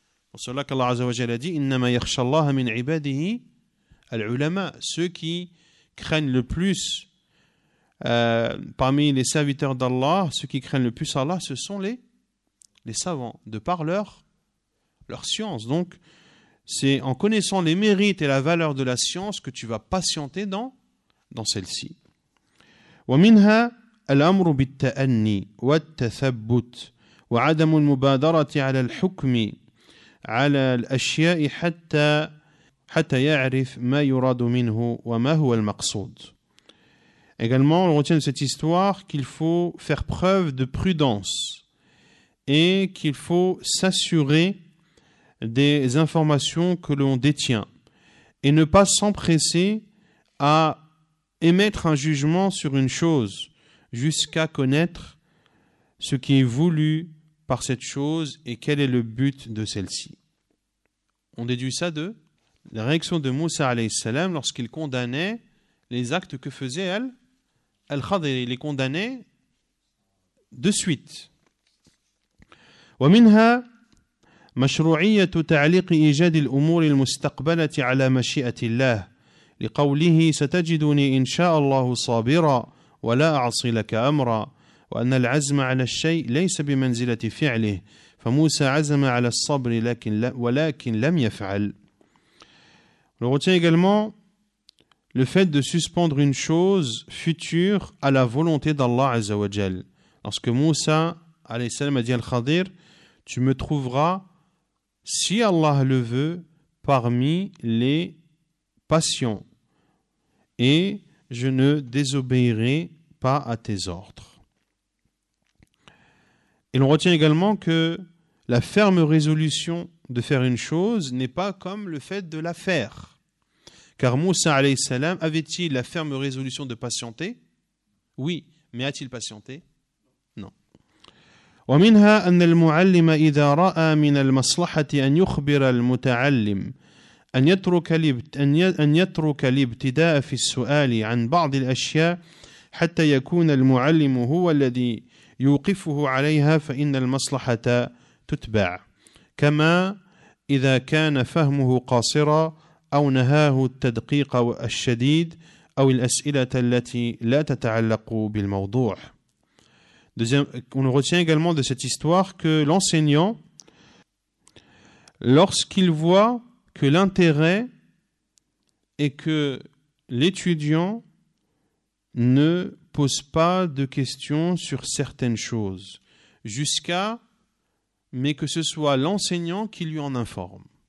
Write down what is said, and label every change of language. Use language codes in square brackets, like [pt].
[fr] Pour cela qu'Allah Azza wa Jalla a dit « [ar] إِنَّمَا يَخْشَ اللَّهَ مِنْ عِبَادِهِ الْعُلَمَاء [fr] » Ceux qui craignent le plus parmi les serviteurs d'Allah, ceux qui craignent le plus Allah, ce sont les savants, de par leur science. Donc, c'est en connaissant les mérites et la valeur de la science que tu vas patienter dans celle-ci. [ar] ومنها الأمر بالتأني والتثبت وعدم المبادرة على الحكم على الأشياء حتى يعرف ما يراد منه وما هو المقصود. [fr] Également, on retient de cette histoire qu'il faut faire preuve de prudence et qu'il faut s'assurer des informations que l'on détient et ne pas s'empresser à émettre un jugement sur une chose jusqu'à connaître ce qui est voulu par cette chose et quel est le but de celle-ci. On déduit ça de la réaction de Moussa alayhi salam lorsqu'il condamnait les actes que faisait Al-Khadir. Il les condamnait de suite. [ar] ومنها مشروعية تعليق إيجاد الأمور المستقبلة على مشيئة الله لقوله ستجدني إن شاء الله صابرا ولا أعصي لك أمرا وأن العزم على الشيء ليس بمنزلة فعله فموسى عزم على الصبر ولكن لم يفعل. [fr] On retient également le fait de suspendre une chose future à la volonté d'Allah Azza wa Jal. Lorsque Moussa alayhi salam a dit al-Khadir, tu me trouveras, si Allah le veut, parmi les patients, et je ne désobéirai pas à tes ordres. Et l'on retient également que la ferme résolution de faire une chose n'est pas comme le fait de la faire. Car Moussa alayhi salam avait-il la ferme résolution de patienter? Oui, mais a-t-il patienté? [ar] ومنها أن المعلم إذا رأى من المصلحة أن يخبر المتعلم أن يترك الابتداء في السؤال عن بعض الأشياء حتى يكون المعلم هو الذي يوقفه عليها فإن المصلحة تتبع، كما إذا كان فهمه قاصرا أو نهاه التدقيق الشديد أو الأسئلة التي لا تتعلق بالموضوع. [fr] On retient également de cette histoire que l'enseignant, lorsqu'il voit que l'intérêt et que l'étudiant ne pose pas de questions sur certaines choses, mais que ce soit l'enseignant qui lui en informe.